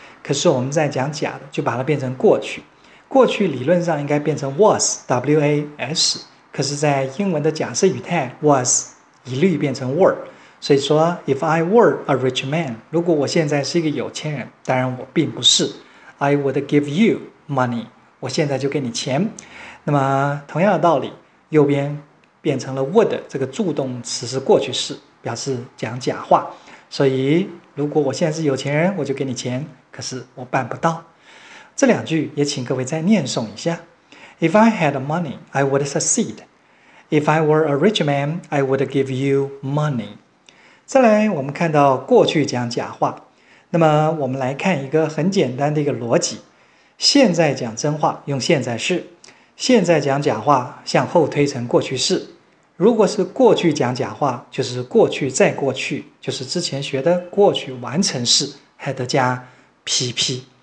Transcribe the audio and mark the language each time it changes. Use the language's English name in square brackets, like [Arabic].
[Chinese] 可是我们在讲假的，就把它变成过去。过去理论上应该变成 was，可是在英文的假设语态，was 一律变成 were。所以说， [English] If I were a rich man， [Chinese] 如果我现在是一个有钱人，当然我并不是。 [English] I would give you money， [Chinese] 我现在就给你钱。那么同样的道理，右边变成了 would，这个助动词是过去式，表示讲假话。所以如果我现在是有钱人，我就给你钱，可是我办不到。这两句也请各位再念诵一下： [English] If I had money, I would succeed. If I were a rich man, I would give you money. [Chinese] 再来，我们看到过去讲假话，那么我们来看一个很简单的一个逻辑：现在讲真话用现在式，现在讲假话向后推成过去式。如果是过去讲假话，就是过去再过去，就是之前学的过去完成式，had 加 PP。